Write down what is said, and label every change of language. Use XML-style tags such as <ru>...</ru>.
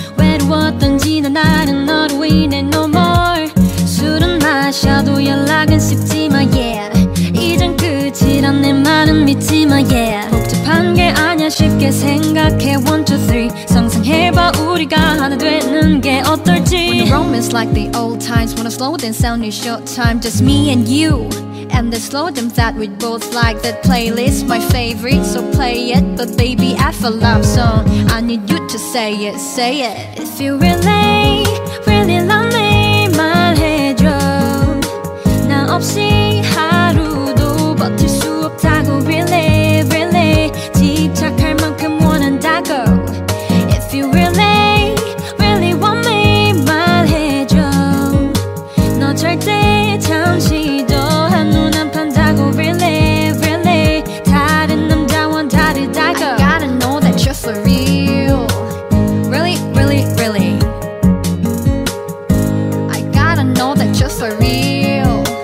<ko>외로웠던 지난 날은 너로 인해</ko> <en>no more.</en> <ko>술은 마셔도 연락은 쉽지 마</ko> <en>yeah.</en> <ko>이젠 끝이란 내 말은 믿지 마</ko> <en>yeah.</en> <ko>복잡한 게 아냐 쉽게 생각해</ko> <en>one two three.</en> <ko>상상해봐 우리가 하나 되는 게 어떨지.</ko> <en>Romance like the old times. Wanna slow dance sound in short time. Just me and you. And the slow dance that we both like. That playlist my favorite. So play it. But baby I feel love song. I need you to say it. Say it. If you really, really love me.</en> <ko>말해줘. 나 없이 하루도 버틸 수 없다고.</ko> <en>Really, really</en> <ko>집착할 만큼 원한다고.</ko> <en>If you really, really want me,</en> <ko>말해줘. 너 절대 잠시도 한눈 안 판다고.</ko> <en>Really, really</en> <ko>다른 남자와 다르다고.</ko> <en>I gotta know that you're for real. Really, really, really. I gotta know that you're for real.</en>